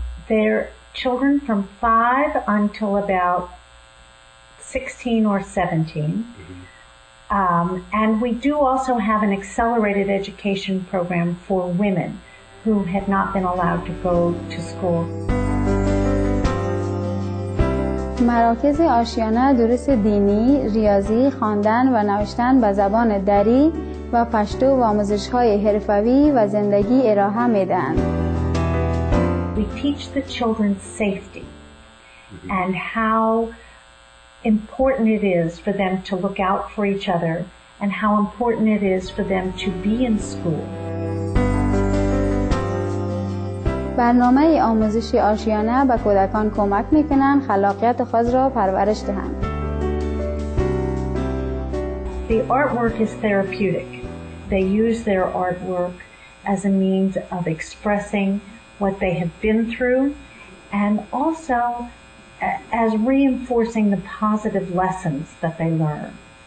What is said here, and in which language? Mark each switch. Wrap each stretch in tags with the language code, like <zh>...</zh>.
<en>They're children from 5 until about 16 or 17. Mm-hmm. And we do also have an accelerated education program for women who had not been allowed to go to school.</en> <fa>مراکز آشیانه دروس دینی، ریاضی، خواندن و نوشتن به زبان دری و پشتو و آموزش‌های حرفه‌ای و زندگی ارائه می‌دهند.</fa> <en>We teach the children safety and how important it is for them to look out for each other and how important it is for them to be in school.</en> <fa>برنامه آموزشی آشیانه به کودکان کمک میکنند خلاقیت خود را پرورش دهند.</fa> <en>The artwork is therapeutic. They use their artwork as a means of expressing what they have been through and also as reinforcing the positive lessons that they learn.</en>